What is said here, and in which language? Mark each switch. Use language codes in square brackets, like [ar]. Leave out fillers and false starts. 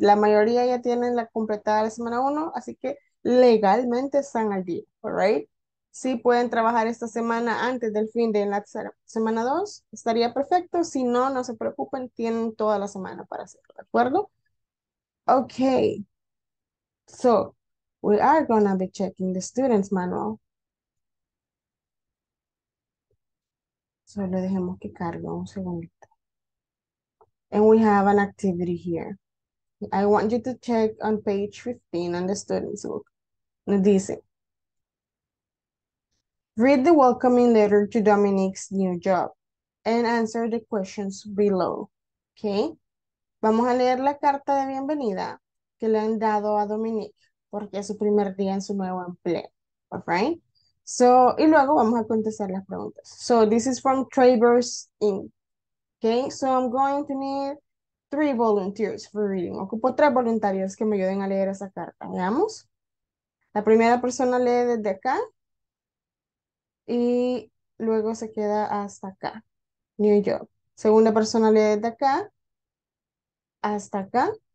[es] La mayoría ya tienen la completada la semana 1, así que legalmente están al día, [en] all right? [es] Si pueden trabajar esta semana antes del fin de la semana 2, estaría perfecto. Si no, no se preocupen, tienen toda la semana para hacerlo, ¿de acuerdo? [en] Okay. So, we are going to be checking the student's manual. [es] Solo dejemos que cargue un segundito. [en] And we have an activity here. I want you to check on page 15 on the student's book. [es] Dice, [en] read the welcoming letter to Dominique's new job and answer the questions below. Okay? [es] Vamos a leer la carta de bienvenida que le han dado a Dominique porque es su primer día en su nuevo empleo. [en] All right? [es] So, y luego vamos a contestar las preguntas. [en] So, this is from Travers Inc. Okay? So, I'm going to need 3 volunteers for reading. [es] Ocupo 3 voluntarios que me ayuden a leer esa carta. Veamos. La primera persona lee desde acá. Y luego se queda hasta acá. New York. Segunda persona lee desde acá. Hasta acá.